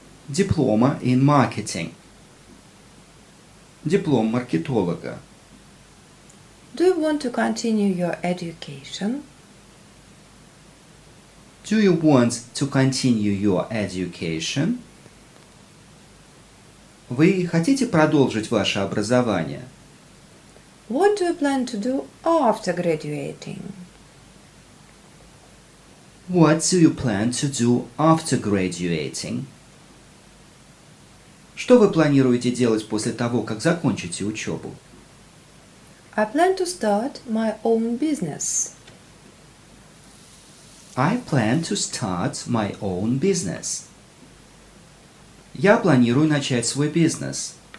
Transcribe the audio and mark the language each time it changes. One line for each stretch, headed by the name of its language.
English: Diploma in marketing.
Russian: Диплом маркетолога.
English: Do you want to continue your education? Do you want to continue your education?
Russian: Вы хотите продолжить ваше образование?
English: What do you plan to do after graduating? What do you plan to do after graduating?
Russian: Что вы планируете делать после того, как закончите учебу?
English: I plan to start my own business. I plan to start my own business.
Russian: Я планирую начать свой бизнес.